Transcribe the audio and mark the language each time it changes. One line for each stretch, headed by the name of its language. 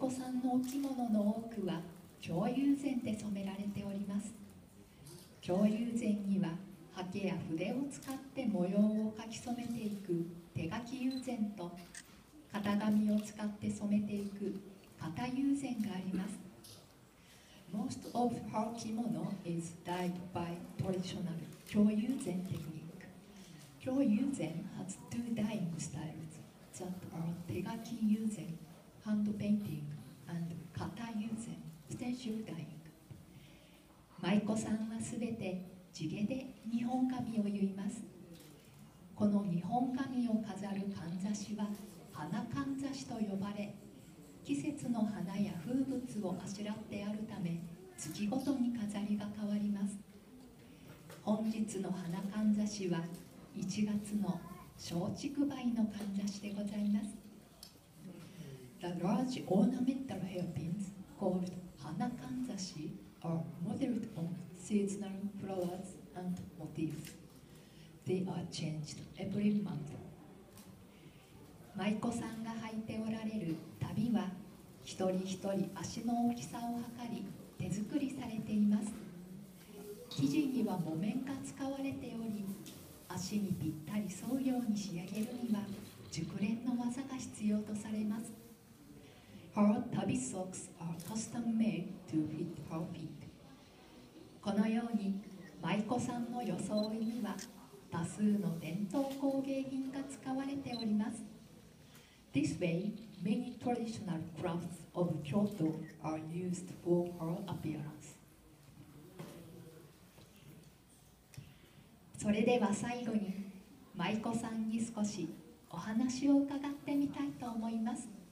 Japanese: さんのお着物の多くは京友禅で染められております。京友禅にははけや筆を使って模様を描き染めていく手描き友禅と、型紙を使って染めていく型友禅があります。
English: Most of her kimono is dyed by traditional 京友禅 technique. 京友禅 has two dyeing styles that are 手描き友禅 hand painting and 型友禅 stencil dyeing.
Japanese: 舞妓さんはすべて地毛で日本髪を結います。この日本髪を飾るかんざしは花かんざしと呼ばれ、季節の花や風物をあしらってあるため月ごとに飾りが変わります。本日の花かんざしは1月の松竹梅のかんざしでございます。
English: The large ornamental hairpins called 花かんざし are modeled on seasonal flowers and motifs. They are changed every month.
Japanese: 舞妓さんが履いておられる足袋は一人一人足の大きさを測り手作りされています。生地には木綿が使われており、足にぴったり沿うように仕上げるには熟練の技が必要とされます。
English: Her 足袋 socks are custom made to fit her feet.
Japanese: このように舞妓さんの装いには多数の伝統工芸品が使われております。
English: This way, many traditional crafts of Kyoto are used for her appearance.
Japanese: それでは最後に舞妓さんに少しお話を伺ってみたいと思います。